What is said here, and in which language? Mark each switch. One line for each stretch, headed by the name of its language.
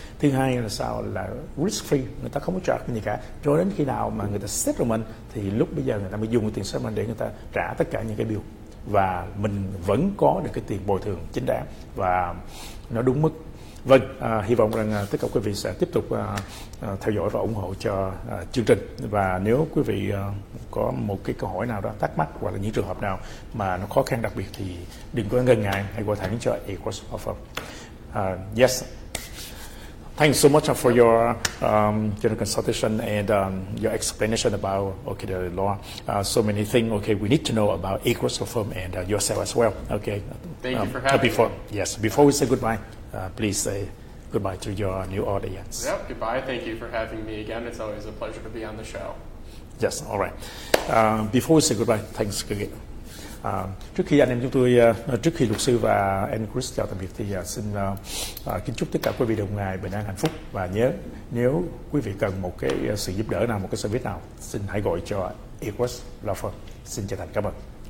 Vietnamese: Thứ hai là sao, là risk free, người ta không có trả cái gì cả cho đến khi nào mà người ta settlement, thì lúc bây giờ người ta mới dùng cái tiền settlement để người ta trả tất cả những cái bill và mình vẫn có được cái tiền bồi thường chính đáng và nó đúng mức. Vâng, hy vọng rằng tất cả quý vị sẽ tiếp tục theo dõi và ủng hộ cho chương trình. Và nếu quý vị có một cái câu hỏi nào đó, thắc mắc hoặc là những trường hợp nào mà nó khó khăn đặc biệt thì đừng có ngần ngại, hãy gọi thẳng cho Agruss Law Firm.
English: Yes, thank you so much for your general consultation and your explanation about the law. So many things we need to know about Agruss Law Firm and yourself as well. Okay. Thank you for having me. Before we say goodbye, please say goodbye to your new audience. Yep, goodbye. Thank you for having me again. It's always a pleasure to be on the show. Yes, all right. Before we say goodbye, thanks again.
Vietnamese: Trước khi anh em chúng tôi, trước khi luật sư và anh Chris chào tạm biệt thì xin kính chúc tất cả quý vị đồng ngài bình an hạnh phúc. Và nhớ, nếu quý vị cần một cái sự giúp đỡ nào, một cái service nào, xin hãy gọi cho Agruss Law Firm. Xin chân thành cảm ơn.